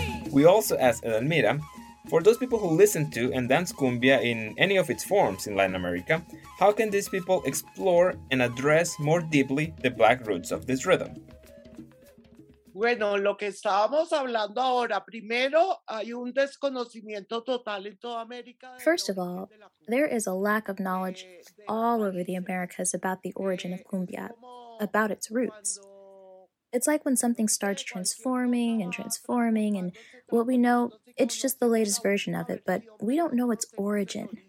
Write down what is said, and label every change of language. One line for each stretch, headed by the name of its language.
English: We also asked Edelmira, for those people who listen to and dance cumbia in any of its forms in Latin America, how can these people explore and address more deeply the Black roots of this rhythm?
Spanish: Bueno, lo que estábamos hablando ahora, primero, hay un desconocimiento total en toda América.
English: First of all, there is a lack of knowledge all over the Americas about the origin of cumbia, about its roots. It's like when something starts transforming and transforming, and what we know, it's just the latest version of it, but we don't know its origin.